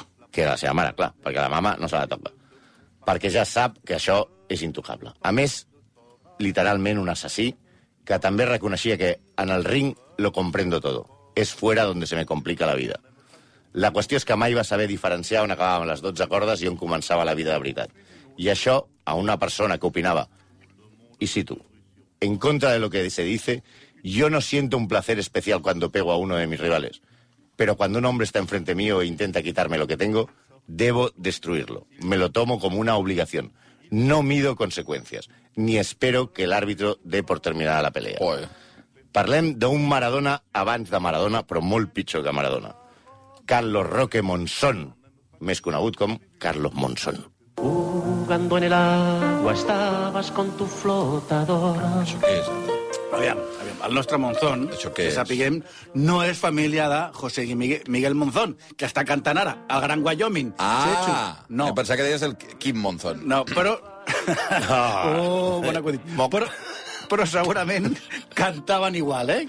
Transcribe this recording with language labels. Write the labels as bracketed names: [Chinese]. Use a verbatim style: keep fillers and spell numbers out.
[Catalan] Que era la seva mare, clar, perquè la mama no se la toca. Perquè ja sap que això és intocable. A més, literalment un assassí, que també reconeixia que en el ring [Spanish] lo comprendo todo. És fuera donde se me complica la vida. [Catalan] La qüestió és que mai va saber diferenciar on acabaven les dotze cordes i on començava la vida de veritat. I això, a una persona que opinava, [Spanish] y cito, en contra de lo que se dice, yo no siento un placer especial cuando pego a uno de mis rivales, pero cuando un hombre está enfrente mío e intenta quitarme lo que tengo, debo destruirlo. Me lo tomo como una obligación. No mido conseqüències, ni espero que l'àrbitro dé por terminada la pelea. Oye. [Catalan] Parlem d'un Maradona abans de Maradona, però molt pitjor que Maradona. Carlos Roque Monzón, més conegut com Carlos Monzón. [Spanish] Jugando en el agua estabas con tu flotadora. [Catalan] Això què és? Aviam, aviam, el nostre Monzón, que sapiguem, no és família de José Miguel Monzón, que està cantant ara, al Gran Wyoming. Ah, no. Em pensava que deies el Quim Monzón. No, però... Oh, bona acudit. Però, però segurament cantaven igual, eh?